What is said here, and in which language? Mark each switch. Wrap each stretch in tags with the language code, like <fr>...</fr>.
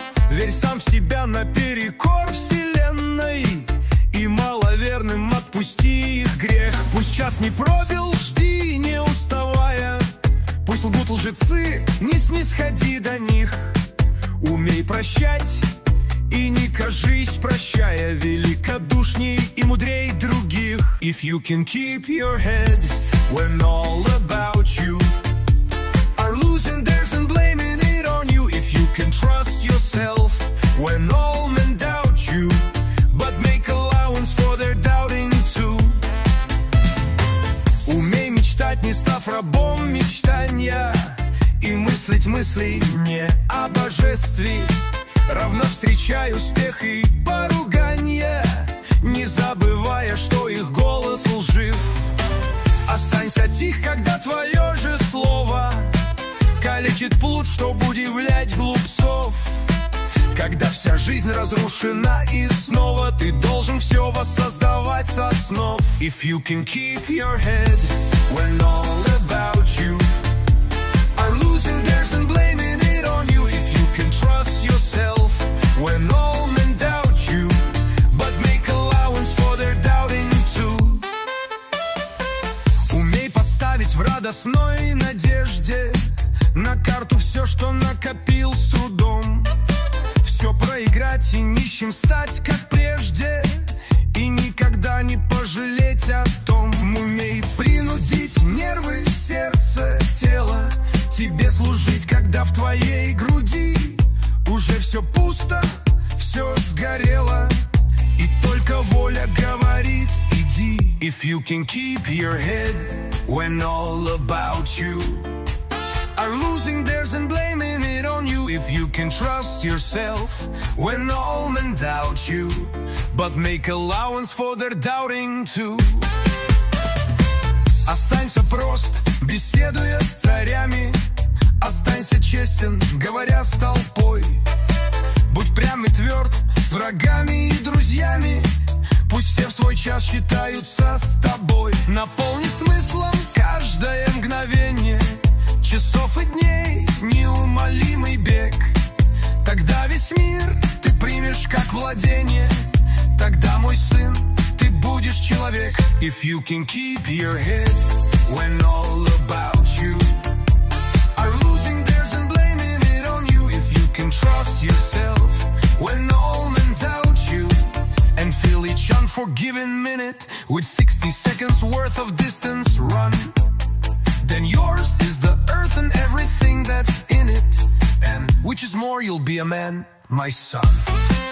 <ru>Верь сам в себя наперекор вселенной, и маловерным отпусти их грех. Пусть час не пробил, жди, не уставая, пусть лгут лжецы, не снисходи до них. Умей прощать и не кажись прощая, великодушней и мудрей других.</ru> <en>If you can keep your head when all about you are losing theirs and blaming it on you. If you can trust yourself when all men doubt you, but make allowance for their doubting too.</en> <ru>Умей мечтать, не став рабом мечтанья, и мыслить мысли не о божестве. Равно встречай успех и поруганье, не забывая, что их голос лжив. Останься тих, когда твое же слово калечит плут, чтоб удивлять глупцов. Когда вся жизнь разрушена и снова, ты должен все воссоздавать со снов.</ru> <en>If you can keep your head when all about you are losing theirs and blaming it on you. If you can trust yourself when all men doubt you, but make allowance for their doubting too.</en> <ru>Умей поставить в радостной надежде на карту все, что накопил с трудом. Все проиграть и нищим стать, как прежде, и никогда не пожалеть о том. Умей принудить нервы, сердце, тело тебе служить, когда в твоей груди уже все пусто, все сгорело, и только воля говорит: иди.</ru> <en>If you can keep your head when all about you are losing theirs and blaming it on you. If you can trust yourself when all men doubt you, but make allowance for their doubting too.</en> <ru>Останься прост, беседуя с царями, останься честен, говоря с толпой. Будь прям и тверд с врагами и друзьями, пусть все в свой час считаются с тобой. Наполни смыслом каждое мгновение, часов и дней неумолимый бег. Тогда весь мир ты примешь как владение, тогда, мой сын, ты будешь человек.</ru> <en>If you can keep your head when all about you are losing theirs and blaming it on you. If you can trust yourself when all men doubt you, and feel each unforgiven minute with 60 seconds worth of distance run, then yours is the earth and everything that's in it, and which is more, you'll be a man, my son.</en>